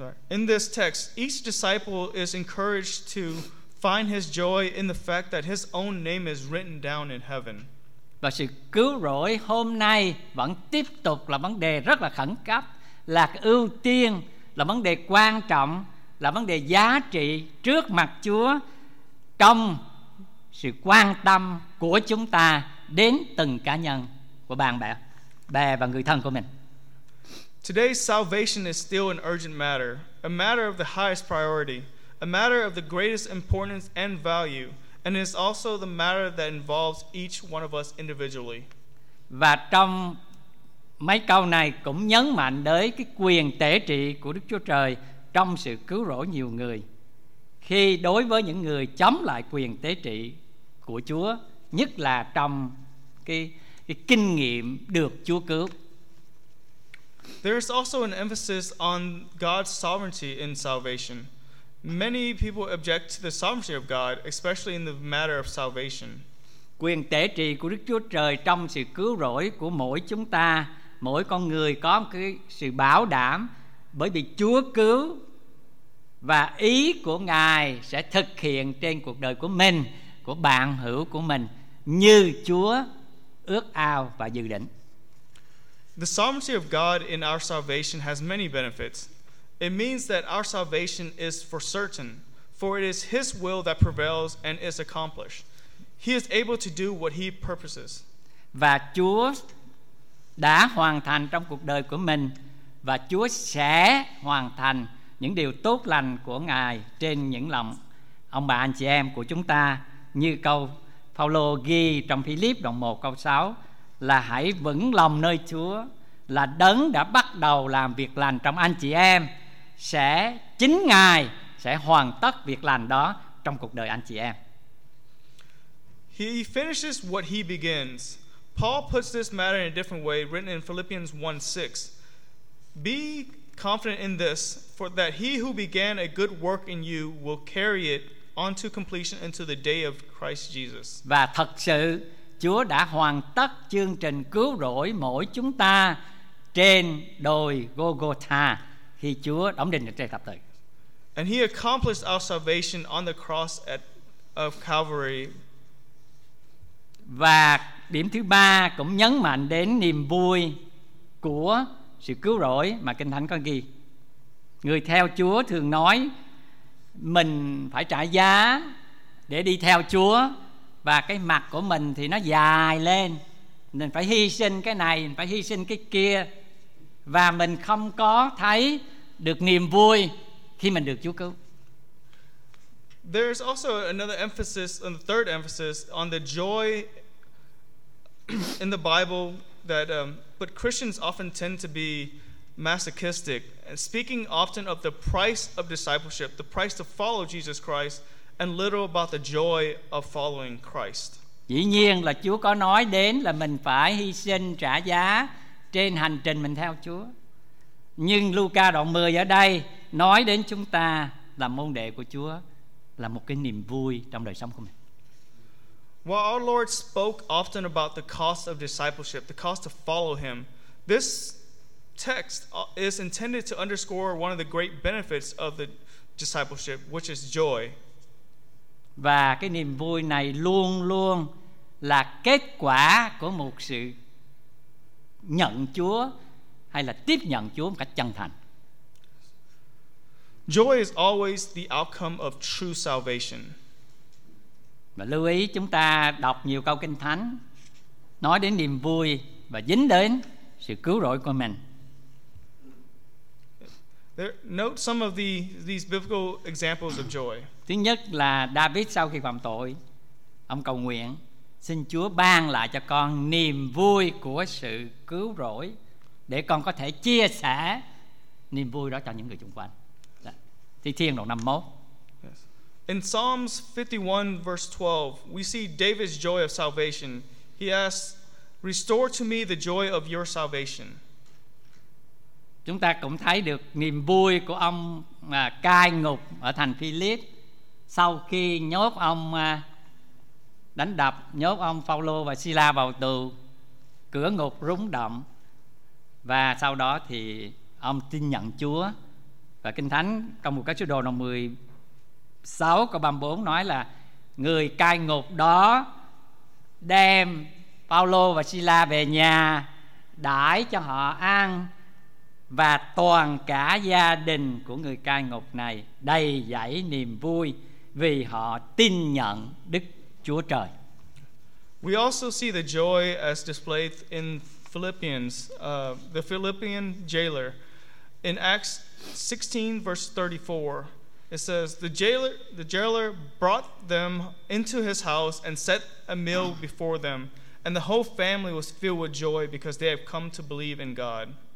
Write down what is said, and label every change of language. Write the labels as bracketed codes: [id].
[en] In this text, each disciple is encouraged to find his joy in the fact that his own name is written down in heaven. [vi] Và sự cứu rỗi hôm nay vẫn tiếp tục là vấn đề rất là khẩn cấp, là ưu tiên, là vấn đề quan trọng, là vấn đề giá trị trước mặt Chúa trong sự quan tâm của chúng ta đến từng cá nhân của bạn bè, bè và người thân của mình. [en] Today's salvation is still an urgent matter, a matter of the highest priority, a matter of the greatest importance and value, and it's also the matter that involves each one of us individually. [vi] Và trong mấy câu này cũng nhấn mạnh đến cái quyền tể trị của Đức Chúa Trời trong sự cứu rỗi nhiều người. Khi đối với những người chống lại quyền tế trị của Chúa, nhất là trong cái kinh nghiệm được Chúa cứu. [en] There's also an emphasis on God's sovereignty in salvation. Many people object to the sovereignty of God, especially in the matter of salvation. [vi] Quyền tể trị của Đức Chúa Trời trong sự cứu rỗi của mỗi chúng ta, mỗi con người có một cái sự bảo đảm bởi vì Chúa cứu và ý của Ngài sẽ thực hiện trên cuộc đời của mình, của bạn hữu của mình như Chúa ước ao và dự định. [en] The sovereignty of God in our salvation has many benefits. It means that our salvation is for certain, for it is His will that prevails and is accomplished. He is able to do what He purposes. [vi] Và Chúa đã hoàn thành trong cuộc đời của mình và Chúa sẽ hoàn thành những điều tốt lành của Ngài trên những lòng ông bà anh chị em của chúng ta, như câu Phaolô ghi trong Philip đoạn 1 câu 6 là hãy vững lòng nơi Chúa, là đấng đã bắt đầu làm việc lành trong anh chị em sẽ chính Ngài sẽ hoàn tất việc lành đó trong cuộc đời anh chị em. [en] He finishes what he begins. Paul puts this matter in a different way, written in Philippians 1:6. Be confident in this, for that he who began a good work in you will carry it unto completion until the day of Christ Jesus. [vi] Và thật sự Chúa đã hoàn tất chương trình cứu rỗi mỗi chúng ta trên đồi Golgotha khi Chúa đóng đinh trên thập tự. [en] And he accomplished our salvation on the cross of Calvary. [vi] Và điểm thứ ba cũng nhấn mạnh đến niềm vui của sự cứu rỗi mà Kinh Thánh có ghi. Người theo Chúa thường nói mình phải trả giá để đi theo Chúa, và cái mặt của mình thì nó dài lên, mình phải hy sinh cái này, mình phải hy sinh cái kia, và mình không có thấy được niềm vui khi mình được Chúa cứu. [en] There's also another emphasis, and the third emphasis on the joy in the Bible that but Christians often tend to be masochistic, speaking often of the price of discipleship, the price to follow Jesus Christ, and little about the joy of following Christ. [vi] Dĩ nhiên là Chúa có nói đến là mình phải hy sinh trả giá trên hành trình mình theo Chúa. Nhưng Luca đoạn 10 ở đây nói đến chúng ta là môn đệ của Chúa là một cái niềm vui trong đời sống của mình. [en] While our Lord spoke often about the cost of discipleship, the cost to follow him, this text is intended to underscore one of the great benefits of the discipleship, which is joy. [vi] Và cái niềm vui này luôn luôn là kết quả của một sự nhận Chúa hay là tiếp nhận Chúa một cách chân thành. [en] Joy is always the outcome of true salvation. [vi] Và lưu ý chúng ta đọc nhiều câu kinh thánh nói đến niềm vui và dính đến sự cứu rỗi của mình. [en] There, note some of these biblical examples of joy. [vi] Thứ nhất là David sau khi phạm tội, ông cầu nguyện, xin Chúa ban lại cho con niềm vui của sự cứu rỗi để con có thể chia sẻ niềm vui đó cho những người xung quanh. Thi Thiên đoạn 51. [en] In Psalms 51 verse 12, we see David's joy of salvation. He asks, "Restore to me the joy of your salvation." [vi] Chúng ta cũng thấy được niềm vui của ông cai ngục ở thành Philip sau khi nhốt ông đánh đập, nhốt ông Phaolô và Sila vào tù, cửa ngục rúng động, và sau đó thì ông tin nhận Chúa. Và Kinh Thánh trong một cái sứ đồ đoạn 16 câu 34 nói là người cai ngục đó đem Phaolô và Sila về nhà, đãi cho họ ăn, và toàn cả gia đình của người cai ngục này đầy dẫy niềm vui vì họ tin nhận Đức Chúa Trời. [en] We also see the joy as displayed in Philippians, the Philippian jailer. In Acts 16 verse 34, it says, the jailer brought them into his house and set a meal before them, and the whole family was filled with joy because they have come to believe in God.